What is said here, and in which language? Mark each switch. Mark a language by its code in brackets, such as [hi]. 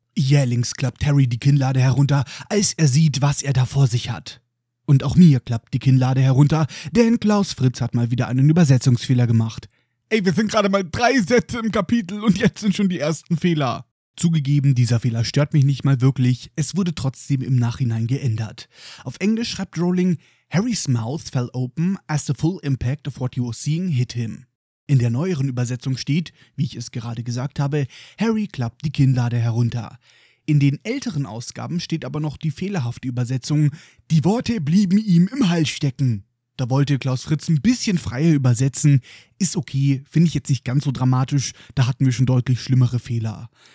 [de] Jählings klappt Harry die Kinnlade herunter, als er sieht, was er da vor sich hat. Und auch mir klappt die Kinnlade herunter, denn Klaus Fritz hat mal wieder einen Übersetzungsfehler gemacht. Ey, wir sind gerade mal 3 Sätze im Kapitel und jetzt sind schon die ersten Fehler. Zugegeben, dieser Fehler stört mich nicht mal wirklich, es wurde trotzdem im Nachhinein geändert. Auf Englisch schreibt Rowling, [en] Harry's mouth fell open as the full impact of what he was seeing hit him. [de] In der neueren Übersetzung steht, wie ich es gerade gesagt habe, Harry klappt die Kinnlade herunter. In den älteren Ausgaben steht aber noch die fehlerhafte Übersetzung, die Worte blieben ihm im Hals stecken. Da wollte Klaus Fritz ein bisschen freier übersetzen, ist okay, finde ich jetzt nicht ganz so dramatisch, da hatten wir schon deutlich schlimmere Fehler.